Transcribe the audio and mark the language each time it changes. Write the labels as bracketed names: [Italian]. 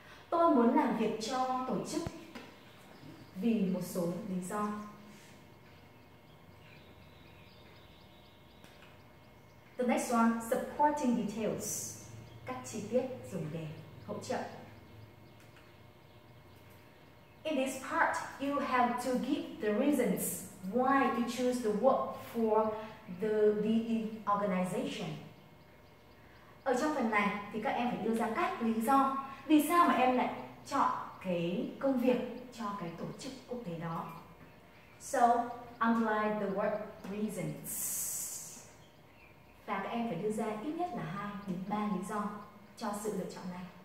[Vietnamese] Tôi muốn làm việc cho tổ chức vì một số lý do. [English] The next one, supporting details. [Vietnamese] Các chi tiết dùng để hỗ trợ. [English] In this part, you have to give the reasons why you choose to work for the organization. [Vietnamese] Ở trong phần này thì các em phải đưa ra các lý do vì sao mà em lại chọn cái công việc cho cái tổ chức quốc tế đó. [English] So, underline the word reasons. [Vietnamese] Và các em phải đưa ra ít nhất là 2 đến 3 lý do cho sự lựa chọn này.